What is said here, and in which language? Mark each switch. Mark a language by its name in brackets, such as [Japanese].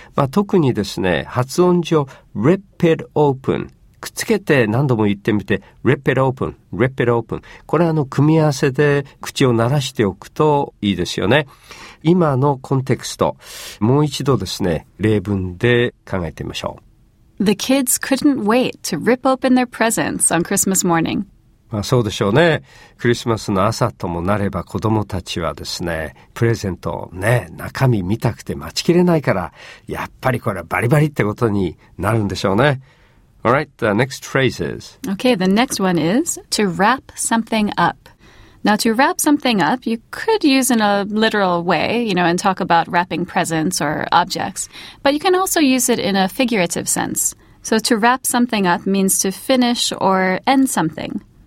[Japanese] まあ、特にですね、発音上 [English] rip it open。 [Japanese] くっつけて何度も言ってみて、 [English] rip it open, rip it open。 [Japanese] これは組み合わせで口を鳴らしておくといいですよね。今のコンテクスト、もう一度ですね、例文で考えてみましょう。 [English] The kids couldn't wait to rip open their presents on Christmas morning. [Japanese] まあそうでしょうね。クリスマスの朝ともなれば子供たちはですね、プレゼントをね、中身見たくて待ちきれないから、やっぱりこれはバリバリってことになるんでしょうね。 [English] All right, the next phrase is... Okay, the next one is to wrap something up. Now, to wrap something up, you could use in a literal way, you know, and talk about wrapping presents or objects, but you can also use it in a figurative sense. So to wrap something up means to finish or end something.